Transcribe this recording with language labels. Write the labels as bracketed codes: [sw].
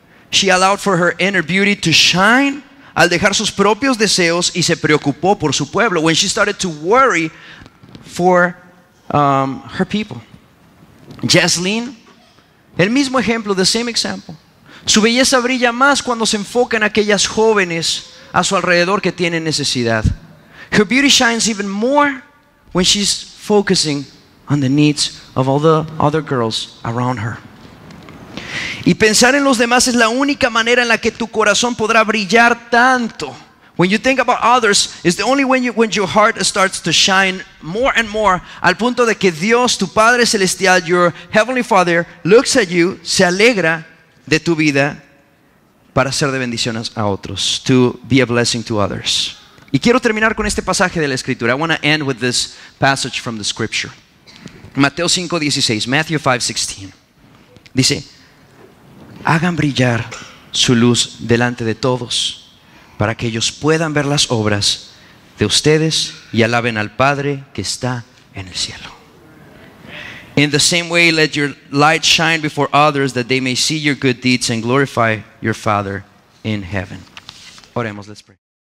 [en] She allowed for her inner beauty to shine [es] al dejar sus propios deseos y se preocupó por su pueblo. [en] When she started to worry for her people. [es] Jaslene, el mismo ejemplo, [en] the same example. [es] Su belleza brilla más cuando se enfoca en aquellas jóvenes a su alrededor que tienen necesidad. [en] Her beauty shines even more when she's focusing on the needs of all the other girls around her. [es] Y pensar en los demás es la única manera en la que tu corazón podrá brillar tanto. [en] When you think about others, it's the only way when your heart starts to shine more and more, [es] al punto de que Dios, tu Padre Celestial, [en] your Heavenly Father, looks at you, [es] se alegra de tu vida para ser de bendiciones a otros, [en] to be a blessing to others. [es] Y quiero terminar con este pasaje de la Escritura. [en] I want to end with this passage from the Scripture. Matthew 5:16. [es] Dice, hagan brillar su luz delante de todos para que ellos puedan ver las obras de ustedes y alaben al Padre que está en el cielo. [en] In the same way, let your light shine before others that they may see your good deeds and glorify your Father in heaven. [es] Oremos, [en] let's pray.